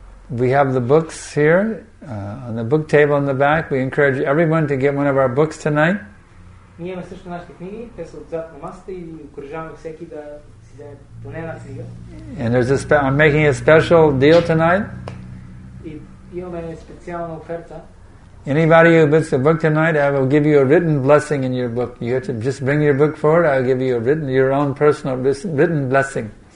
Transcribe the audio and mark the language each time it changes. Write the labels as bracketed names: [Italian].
[English] We have the books here on the book table in the back. We encourage everyone to get one of our books tonight. [Bulgarian] Ние имаме също нашите книги, те са отзад на масата и окружаваме всеки да си вземе поне една книга. [English] And there's a I'm making a special deal tonight. [Bulgarian] И имаме специална оферта. [English] Anybody who books a book tonight, I will give you a written blessing in your book. You have to just bring your book forward, I will give you a written, your own personal written blessing.